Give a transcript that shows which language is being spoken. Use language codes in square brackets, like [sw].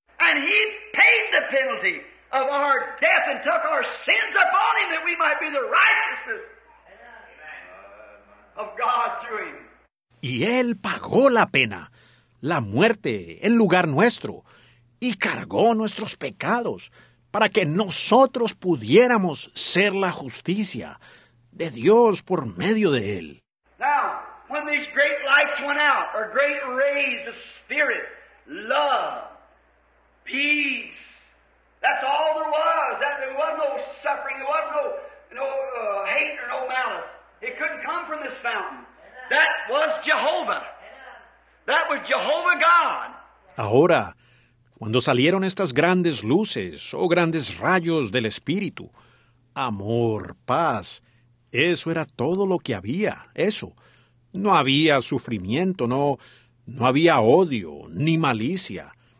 [en] And he paid the penalty of our death and took our sins upon him that we might be the righteousness of God through him. [es] Y él pagó la pena, la muerte en lugar nuestro, y cargó nuestros pecados para que nosotros pudiéramos ser la justicia de Dios por medio de él. [en] Now, when these great lights went out, or great rays of spirit, love, peace, that's all there was. That there was no suffering, there was no hate or no malice. It couldn't come from this fountain. That was Jehovah. That was Jehovah God. [es] Ahora, cuando salieron estas grandes luces o grandes rayos del Espíritu, amor, paz, eso era todo lo que había, eso. No había sufrimiento, no había odio ni malicia.